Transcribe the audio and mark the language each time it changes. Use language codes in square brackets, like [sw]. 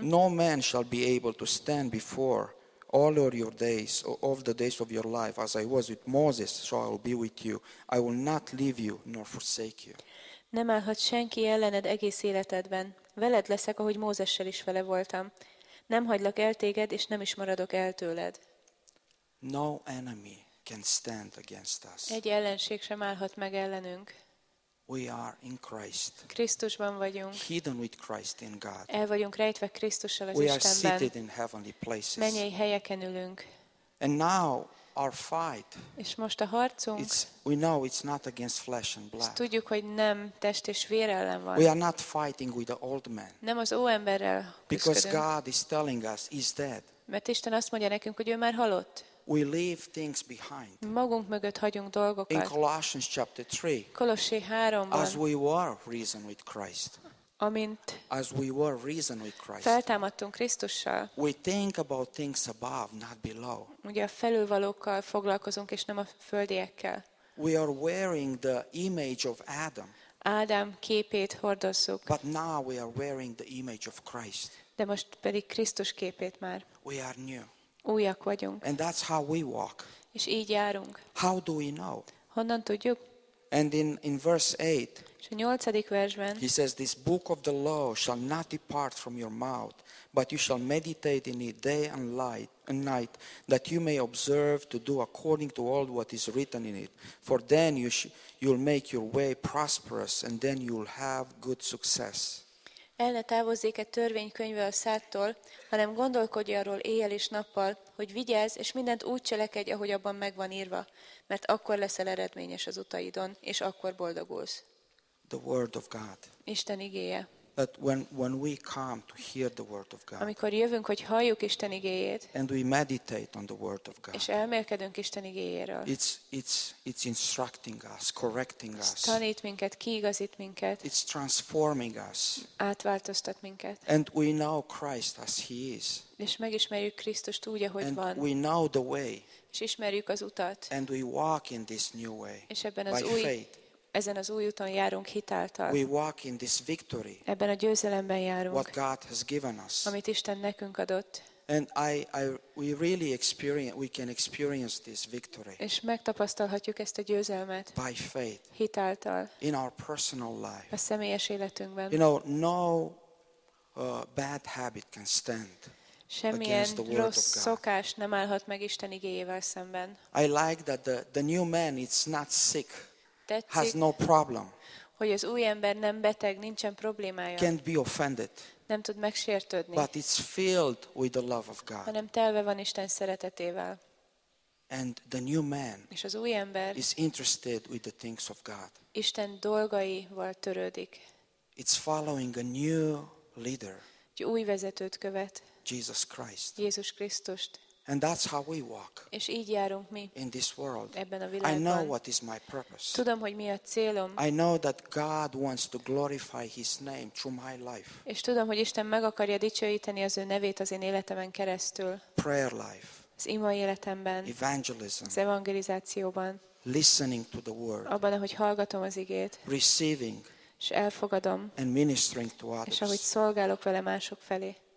[en] No man shall be able to stand before all of your days, of the days of your life, as I was with Moses, so I will be with you. I will not leave you nor forsake you. [hu] Nem állhat senki ellened egész életedben. Veled leszek, ahogy Mózessel is vele voltam. Nem hagylak el téged, és nem is maradok el tőled. [en] No enemy can stand against us. [hu] Egy ellenség sem állhat meg ellenünk. [en] We are in Christ. [hu] Krisztusban vagyunk. [en] Hidden with Christ in God. [hu] El vagyunk rejtve Krisztussal az Istenben. [en] We are seated in heavenly places. [hu] Mennyei helyeken ülünk. [en] And now our fight. [hu] És most a harcunk. [en] We know it's not against flesh and blood. [hu] És tudjuk, hogy nem test és vér ellen van. [en] We are not fighting with the old man. [hu] Nem az óemberrel. [en] Because God is telling us he's dead. [hu] Mert Isten azt mondja nekünk, hogy ő már halott. [en] We leave things behind. [hu] Magunk mögött hagyunk dolgokat. [en] In Colossians chapter 3. [hu] Kolossé 3-ban. [en] As we were risen with Christ. [hu] Amint. [en] As we were risen with Christ. [hu] Feltámadtunk Krisztussal. [en] We think about things above, not below. [hu] Ugye a felülvalókkal foglalkozunk és nem a földiekkel. [en] We are wearing the image of Adam. [hu] Ádám képét hordozzuk. [en] But now we are wearing the image of Christ. [hu] De most pedig Krisztus képét már. [en] We are new. [hu] Újak vagyunk. [en] And that's how we walk. [hu] És így járunk. [en] How do we know? [hu] Honnan tudjuk? [en] And in verse 8. [hu] És a 8. versben. [en] He says, this book of the law shall not depart from your mouth, but you shall meditate in it day and light and night, that you may observe to do according to all what is written in it. For then you'll make your way prosperous, and then you'll have good success. [hu] El ne távozzék-e törvénykönyve a szádtól, hanem gondolkodj arról éjjel és nappal, hogy vigyázz, és mindent úgy cselekedj, ahogy abban megvan írva, mert akkor leszel eredményes az utaidon, és akkor boldogulsz. [en] The word of God. [hu] Isten igéje. [en] But when we come to hear the word of God. [hu] Amikor jövünk, hogy halljuk Isten igéjét. [en] And we meditate on the word of God. [hu] És elmélkedünk Isten igéjéről. [en] It's instructing us, correcting us. [hu] Tanít minket, kiigazít minket. [en] It's transforming us. [hu] Átváltoztat minket. [en] And we know Christ as he is. [hu] És megismerjük Krisztust úgy, ahogy [en] and [hu] van. [en] And we know the way. [hu] És ismerjük az utat. [en] And we walk in this new way. [hu] És ebben az új [en] faith. [hu] Ezen az új úton járunk hitáltal. [en] We walk in this victory. [hu] Ebben a győzelemben járunk. [en] What God has given us. [hu] Amit Isten nekünk adott. [en] And we really experience, we can experience this victory. [hu] És megtapasztalhatjuk ezt a győzelmet. [en] By faith. [hu] Hitáltal. [en] In our personal life. [hu] A személyes életünkben. [en] You know, no bad habit can stand. [hu] Semmilyen rossz szokás nem állhat meg Isten igéjével szemben. [en] I like that the new man is not sick. [hu] Tetszik, [en] has no problem. [hu] Hogy az új ember nem beteg, nincsen problémája. [en] Can't be offended. [hu] Nem tud megsértődni. [en] But it's filled with the love of God. [hu] Hanem telve van Isten szeretetével. [en] And the new man. [hu] És az új ember [en] is interested with the things of God. [hu] Isten dolgaival törődik. [en] It's following a new leader. [hu] Egy új vezetőt követ. [en] Jesus Christ. [hu] Jézus Krisztust. [en] And that's how we walk. [hu] És így járunk mi. [en] In this world. [hu] Ebben a világban. [en] I know what is my purpose. [hu] Tudom, hogy mi a célom. [en] I know that God wants to glorify his name through my life. [hu] És tudom, hogy Isten meg akarja dicsőíteni az ő nevét az én életemen keresztül. [en] Prayer life. [hu] Az ima életemben. [en] Evangelism. [hu] Az evangelizációban. [en] Listening to the word. [hu] Abban, ahogy hallgatom az igét. [en] Receiving. [hu] És elfogadom. [en] And ministering to others. [hu] És ahogy szolgálok vele mások felé.